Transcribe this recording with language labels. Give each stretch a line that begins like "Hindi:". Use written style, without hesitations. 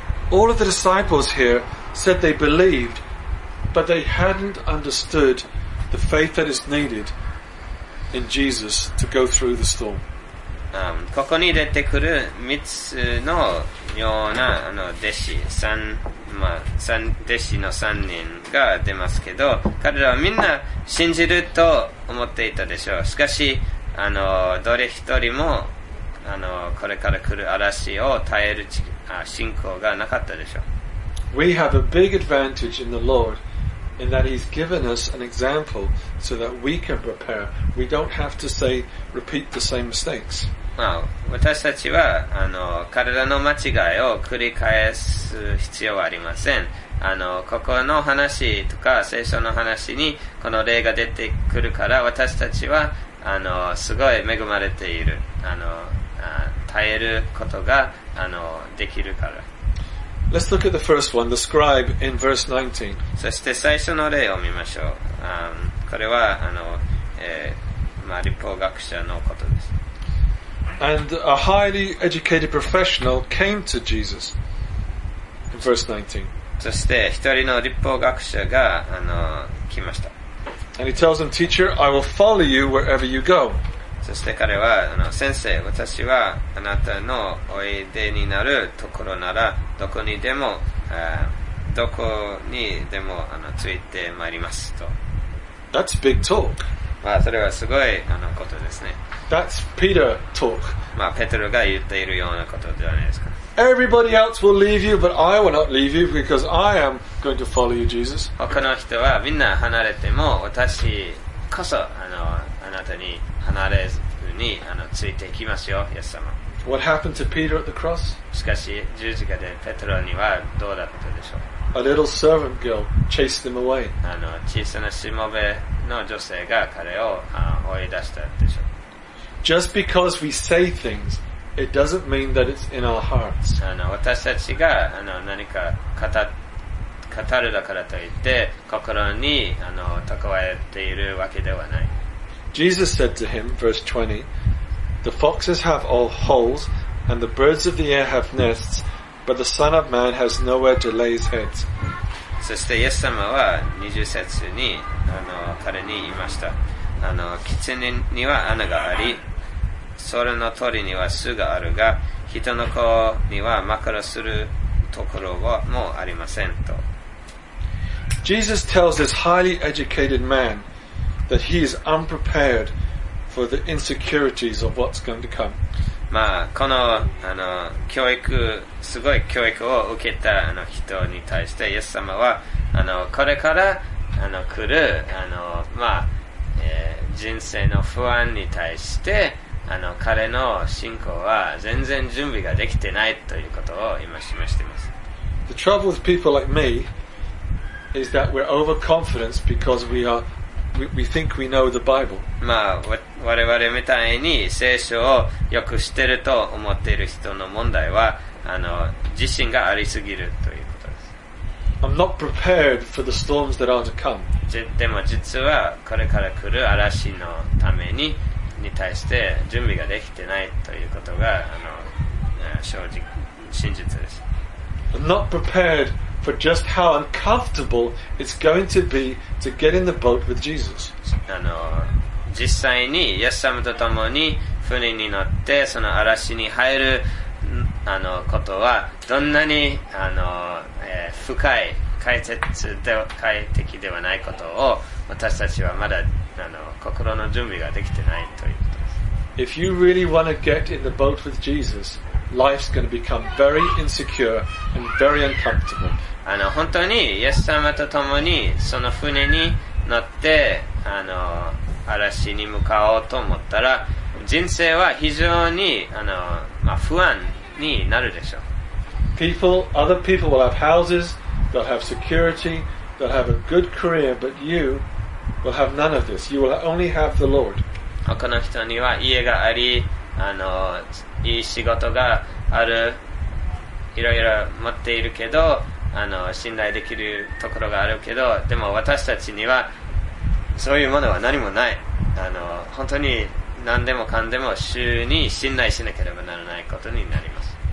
English: All of the disciples here said they believed, but they hadn't understood the faith that is needed in Jesus to go through the storm.
Japanese: ここに出てくる三つのようなあの弟子、三、まあ、三弟子の三人が出ますけど、彼らはみんな信じると思っていたでしょう。しかしあのどれ一人もあのこれから来る嵐を耐える信仰がなかったでしょう。
English: We have a big advantage in the Lord in that He's given us an example so that we can prepare. We don't have to say repeat the same mistakes.
Japanese: まあ、私たちはあの彼らの間違いを繰り返す必要はありません。あのここの話とか聖書の話にこの例が出てくるから、私たちはあのすごい恵まれている、あの耐えることがあのできるから。
English: Let's look at the first one, the scribe in verse 19.
Japanese: そして最初の例を見ましょう。これはあの、まあ、律法学者のことです。
English: And a highly educated professional came to Jesus in verse 19.
Japanese: そして一人の律法学者があの来ました。
English: And he tells him, "Teacher, I will follow you wherever you go."
Japanese: そして彼はあの先生、私はあなたのおいでになるところならどこにでも、どこにでもあのついてまいりますと。
English: That's big talk.
Japanese: まあそれはすごいあのことですね。
English: That's Peter talk.
Japanese: まあペテロが言っているようなことではないですか。
English: Everybody else will leave you, but I will not leave you because I am going to follow you, Jesus.
Japanese: 他の人はみんな離れても、私こそあのあなたに離れずにあのついていきますよ、イエス様。
English: What happened to Peter at the cross?
Japanese: しかし十字架でペトロにはどうだったでしょう。
English: A little servant girl chased him away.
Japanese: あの小さなしもべの女性が彼を追い出したでしょう。
English: Just because we say things. It doesn't mean that it's in our hearts.
Japanese: あの、私たちがあの何か語るだからといって心にあの蓄えているわけではない。
English: Jesus said to him, verse 20, The foxes have all holes and the birds of the air have nests, but the Son of Man has nowhere to lay his head.
Japanese: そしてイエス様は20節にあの彼に言いました。あの、キツネには穴があり、それの通りには巣があるが、人の子には枕するところはもうありませんと。
English: Jesus tells this highly educated man that he is unprepared for the insecurities of what's going to come.
Japanese: まあ、この、 あの教育、すごい教育を受けたあの人に対して、イエス様は、あのこれからあの来るあの、まあ人生の不安に対して、あの彼の信仰は全然準備ができてないということを今示しています。
English: The trouble with people like me is that we're overconfident because we think we know the Bible.
Japanese: まあ我々みたいに聖書をよく知っていると思っている人の問題は、あの自信がありすぎるということです。
English: I'm not prepared for the storms that are to come.
Japanese: でも実はこれから来る嵐のためにに対して準備ができてないということが正直真実です。
English: I'm not prepared for just how uncomfortable it's going to be to get in the boat with Jesus.
Japanese: 実際にイエス様と共に船に乗ってその嵐に入ることはどんなに深い解説で快適ではないことを私たちはまだ心の準備ができてないということです。
English: If you really want to get in the boat with Jesus, life's going to become very insecure and very uncomfortable.
Japanese: 本当にイエス様と共にその船に乗って嵐に向かおうと思ったら人生は非常に不安になるでしょう。
English: People, other people will have houses, they'll have security, they'll have a good career, but you will have none of this. You will only have the Lord.
Japanese: 他の人には家があり、いい仕事がある、いろいろ持っているけど、信頼できるところがあるけど、でも私たちにはそういうものは何もない。本当に何でもかんでも主に信頼しなければならないことになります。